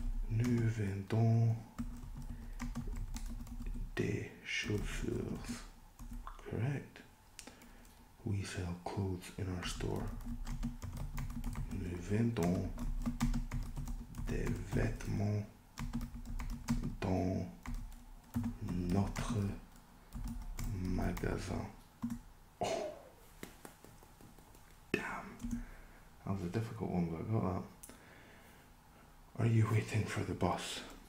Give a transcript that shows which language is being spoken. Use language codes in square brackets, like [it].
[fr] Nous vendons des chaussures. [en] Correct. We sell clothes in our store. [fr] Nous vendons des vêtements dans notre magasin. [en] Oh, damn. That was a difficult one, but I got that. Are you waiting for the bus?